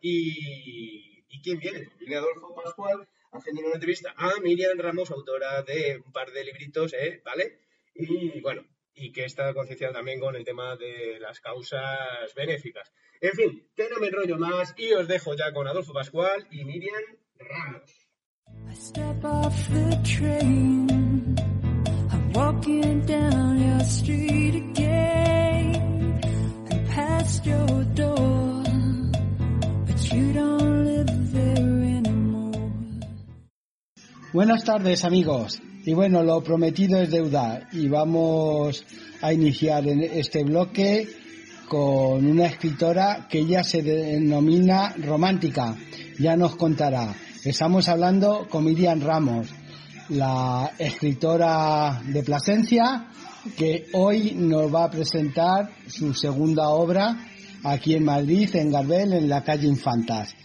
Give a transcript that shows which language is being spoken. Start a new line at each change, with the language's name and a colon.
Spanish: ¿Y quién viene? Viene Adolfo Pascual haciendo una entrevista a Miriam Ramos, autora de un par de libritos, ¿vale? Y bueno, y que está concienciada también con el tema de las causas benéficas. En fin, que no me enrollo más y os dejo ya con Adolfo Pascual y Miriam Ramos.
English: I step off the train, I'm walking down your street again, and past your door, but you don't live there anymore.
Spanish: Buenas tardes, amigos. Y bueno, lo prometido es deuda y vamos a iniciar en este bloque con una escritora que ella se denomina romántica. Ya nos contará. Estamos hablando con Miriam Ramos, la escritora de Plasencia, que hoy nos va a presentar su segunda obra aquí en Madrid, en Gardel, en la calle Infantas.